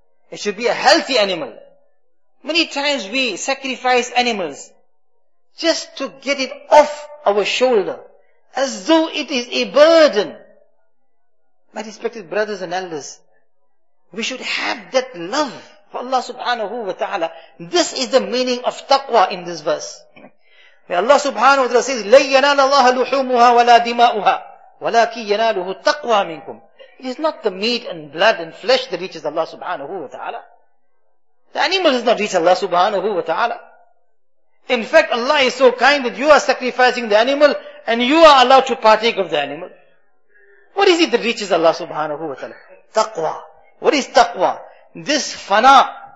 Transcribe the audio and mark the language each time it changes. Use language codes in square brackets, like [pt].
[en] It should be a healthy animal. Many times we sacrifice animals just to get it off our shoulder, as though it is a burden. My respected brothers and elders, we should have that love for Allah subhanahu wa ta'ala. This is the meaning of taqwa in this verse. May Allah subhanahu wa ta'ala says, [ar] لَنْ يَنَالَ اللَّهَ لُحُومُهَا وَلَا دِمَاؤُهَا وَلَكِي يَنَالُهُ تَقْوَى مِنْكُمْ. [en] It is not the meat and blood and flesh that reaches Allah subhanahu wa ta'ala. The animal does not reach Allah subhanahu wa ta'ala. In fact, Allah is so kind that you are sacrificing the animal and you are allowed to partake of the animal. What is it that reaches Allah subhanahu wa ta'ala? Taqwa. What is taqwa? This fana.